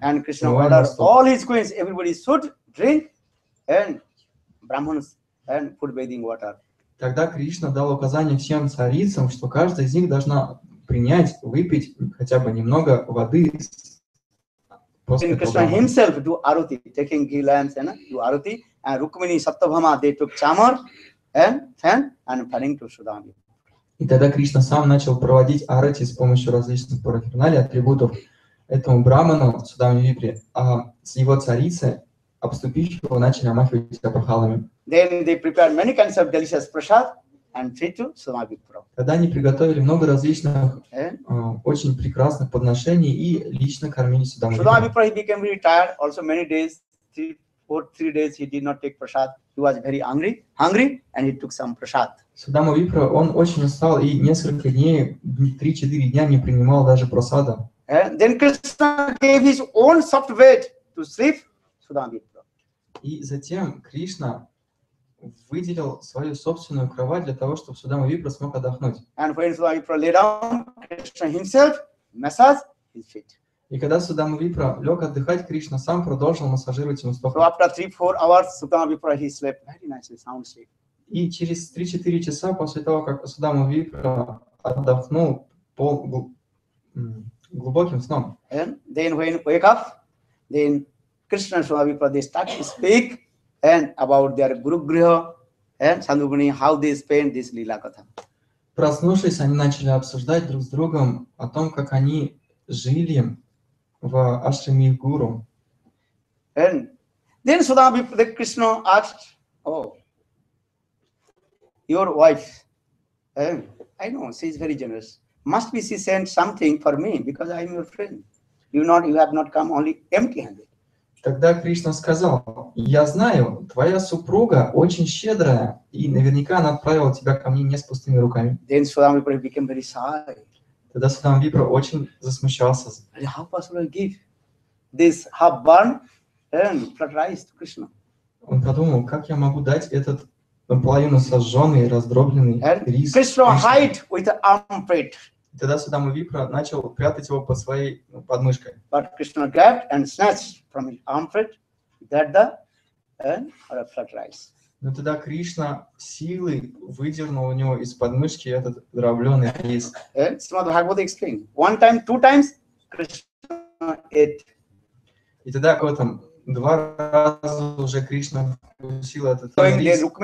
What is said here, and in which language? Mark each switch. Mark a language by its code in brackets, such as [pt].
[en] And Krishna ordered all his queens, everybody should drink and Brahmanas and food bathing water. [ru] Тогда Кришна дал указание всем царицам, что каждая из них должна принять, выпить хотя бы немного воды. [en] And Krishna himself do aruti, taking ghee lamps and do aruti. And Rukmini Sattabhama, they took chamar and fan and fanning to Sudama. [ru] И тогда Кришна сам начал проводить арати с помощью различных параферналий, атрибутов этому браману Судама Випре, а с его царицы, обступив его, начали омахивать апахалами. [en] Then they prepared many kinds of delicious prasad and fed to Sudama Vipra. [ru] Тогда они приготовили много различных очень прекрасных подношений и лично кормили Судама Випра. [en] Sudama Vipra, he became very tired, also many days, three days he did not take prasad. He was very hungry, and he took some prasad. [ru] Судама Випра, он очень устал и несколько дней, 3-4 дня не принимал даже просада. [en] And then Krishna gave his own soft bed to sleep, Судама Випра. [ru] И затем Кришна выделил свою собственную кровать для того, чтобы Судама Випра смог отдохнуть. [en] And when Судама Випра lay down, Krishna himself massaged his feet. [ru] И когда Судама Випра лег отдыхать, Кришна сам продолжил массажировать ему стопы. [en] So after 3-4 hours, Судама Випра, he slept very nicely, sound sleep. [ru] И через 3-4 часа после того, как Судама Випра отдохнул глубоким сном, [en] and then when he wake up, then Krishna and Sudama Vipra, they start to speak and about their Guru Griha and Sandhubani, how they spent this Lila Katha. [ru] Проснувшись, они начали обсуждать друг с другом о том, как они жили в ашраме Гуру. [en] And then Sudama Vipra, the Krishna asked, your wife, I know she is very generous. Must be she sent something for me because I am your friend. You have not come only empty-handed. [ru] Тогда Кришна сказал: я знаю, твоя супруга очень щедрая, и наверняка она отправила тебя ко мне не с пустыми руками. [en] Then Sudama Vipra became very shy. [ru] Тогда Судама Випра очень засмущался. [en] And how possible to give this half burn and flat rice to Krishna? [ru] Он подумал, как я могу дать этот наполовину сожженный, раздробленный рис. [en] Krishna hide with the armpit. [ru] Тогда Судама Випра начал прятать его под своей подмышкой. [en] But Krishna grabbed and snatched from his armpit that the flat rice. [ru] Но тогда Кришна силой выдернул у него из подмышки этот дробленый рис. [en] Srimad Bhagavata explained. One time, two times Krishna ate. [ru] И тогда в этом два раза уже Кришна вкусил этот рис.